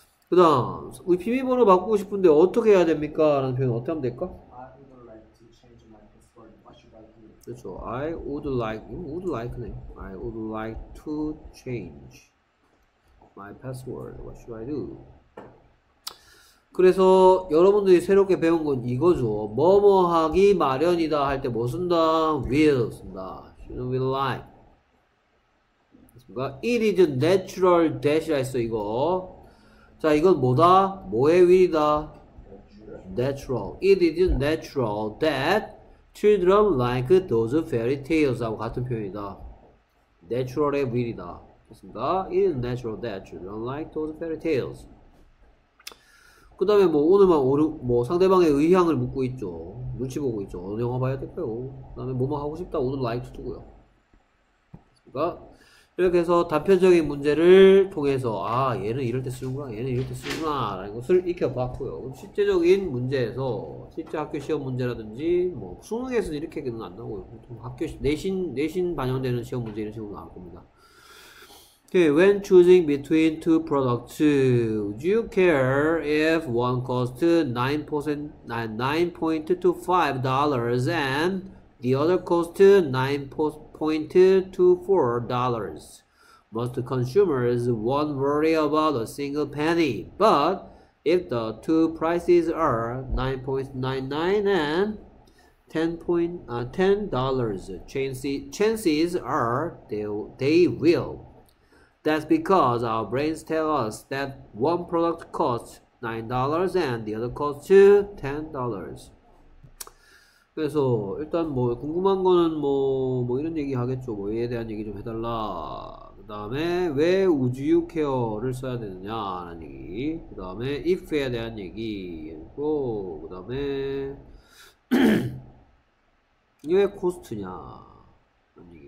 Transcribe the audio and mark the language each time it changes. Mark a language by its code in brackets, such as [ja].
[ko] 그다음 우리 비밀번호 바꾸고 싶은데 어떻게 해야 됩니까? 라는 표현 어떻게 하면 될까? [en] I would like to change my password. What should I do? [ko] 그렇죠. [en] I would like. Would like [ko] 네. [en] I would like to change. My password. What should I do? [ko] 그래서 여러분들이 새롭게 배운 건 이거죠. 뭐뭐 하기 마련이다 할 때 뭐 쓴다? [en] Will [ko] 쓴다. [en] Shouldn't we like? [ko] 그러니까 [en] It is natural that이라 [ko] 했어 이거. 자 이건 뭐다? 뭐의 will이다? [en] Natural. It is natural that children like those fairy tales [ko] 하고 같은 표현이다. Natural의 will이다. 됐습니다. [en] It is natural that children like those fairy tales. [ko] 그 다음에 뭐 오늘만 뭐 상대방의 의향을 묻고 있죠. 눈치 보고 있죠. 어느 영화 봐야 될까요? 그 다음에 뭐뭐 하고 싶다. 오늘 like to 두고요. 됐습니까? 이렇게 해서 단편적인 문제를 통해서 아 얘는 이럴 때 쓰는구나 얘는 이럴 때 쓰는구나 라는 것을 익혀봤고요. 실제적인 문제에서 실제 학교 시험 문제라든지 뭐 수능에서는 이렇게는 안 나오고요. 보통 학교 내신 반영되는 시험 문제 이런 식으로 나올 겁니다. [en] Okay, when choosing between two products, would you care if one costs $9.25 and the other costs $9.24? Most consumers won't worry about a single penny, but if the two prices are $9.99 and $10, chances are they will. That's because our brains tell us that one product costs $9 and the other costs $10. [ko] 그래서 일단 뭐 궁금한 거는 뭐 이런 얘기 하겠죠. 뭐 이에 대한 얘기 좀 해달라. 그 다음에 왜 [en] would you care [ko] 를 써야 되느냐 라는 얘기. 그 다음에 if에 대한 얘기. 그 다음에 왜 코스트냐 라는 얘기.